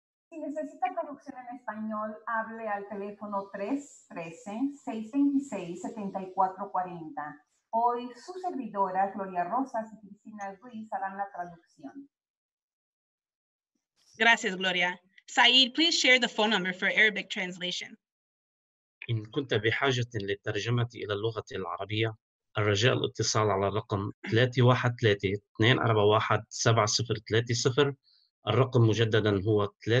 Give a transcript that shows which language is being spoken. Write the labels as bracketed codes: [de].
[es] Si necesita traducción en español, hable al teléfono 313-626-7440. Hoy, su servidora, Gloria Rosas y Cristina Ruiz, harán la traducción. Gracias, Gloria. [en] Saeed, please share the phone number for Arabic translation. [ar] إن كنت بحاجة للترجمة إلى اللغة العربية، الرجاء الاتصال على الرقم 313-241-7030. الرقم مجددا هو 313-241-7030.